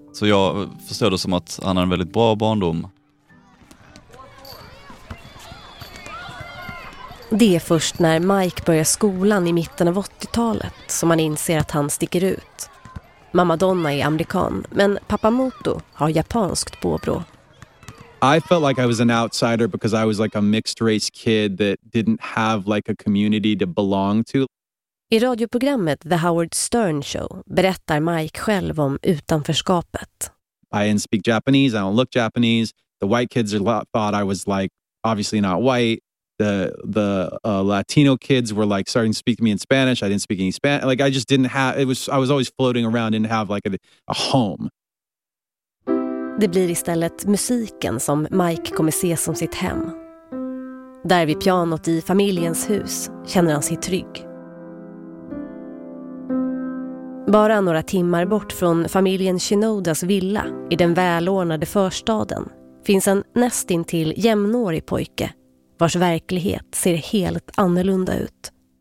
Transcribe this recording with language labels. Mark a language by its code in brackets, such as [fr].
[sv] Så jag förstår det som att han har en väldigt bra barndom. Det är först när Mike börjar skolan i mitten av 80-talet som man inser att han sticker ut. Mamma Donna är amerikan, men pappa Muto har japanskt påbrå. [en] I felt like I was an outsider because I was like a mixed race kid that didn't have like a community to belong to. [sv] I radioprogrammet The Howard Stern Show berättar Mike själv om utanförskapet. [en] I didn't speak Japanese, I don't look Japanese. The white kids thought I was like obviously not white. The Latino kids were like starting to speak to me in Spanish. I didn't speak any Spanish. Like I just didn't have it was I was always floating around, didn't have like a home. [sv] Det blir istället musiken som Mike kommer se som sitt hem. Där vid pianot i familjens hus känner han sig trygg. Bara några timmar bort från familjen Shinodas villa i den välordnade förstaden finns en nästintill jämnårig pojke vars verklighet ser helt annorlunda ut.